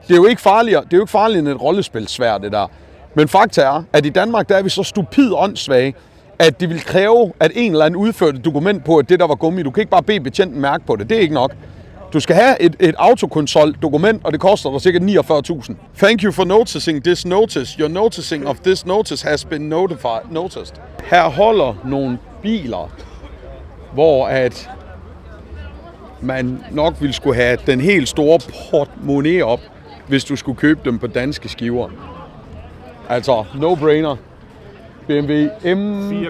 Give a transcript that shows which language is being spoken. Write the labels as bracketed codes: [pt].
[da] Det er jo ikke farligere, det er jo ikke farligere end et rollespilsvær, det der. Men fakta er, at i Danmark der er vi så stupid åndssvage, at det vil kræve, at en eller anden udførte et dokument på, at det der var gummi. Du kan ikke bare bede betjenten mærke på det. Det er ikke nok. Du skal have et autokonsol dokument, og det koster dig ca. [en] 49.000. Thank you for noticing this notice. Your noticing of this notice has been noticed. [da] Her holder nogle biler, hvor at man nok ville skulle have den helt store portemonnaie op, hvis du skulle købe dem på danske skiver. Altså, no brainer. BMW M4